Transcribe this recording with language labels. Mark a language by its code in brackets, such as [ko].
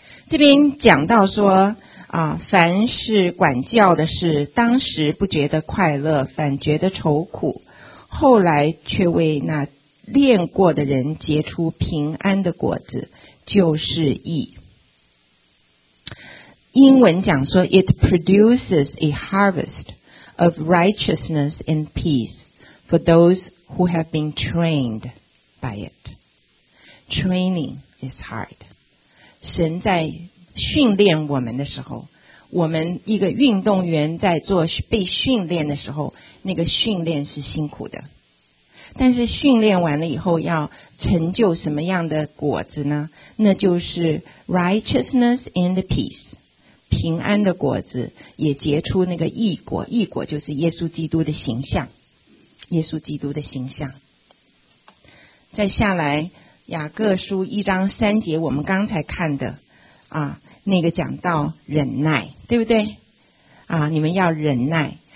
[zh] 这边讲到说凡是管教的事，当时不觉得快乐，反觉得愁苦，后来却为那练过的人结出平安的果子，就是义。英文讲说 [en] It produces a harvest of righteousness and peace for those who have been trained by it. Training is hard. [zh] 神在训练我们的时候，我们一个运动员在做被训练的时候，那个训练是辛苦的。但是训练完了以后，要成就什么样的果子呢？那就是 [en] righteousness and peace。 [zh] 平安的果子也结出那个义果，义果就是耶稣基督的形象，耶稣基督的形象。再下来，雅各书1章3节，我们刚才看的啊，那个讲到忍耐，对不对？啊，你们要忍耐，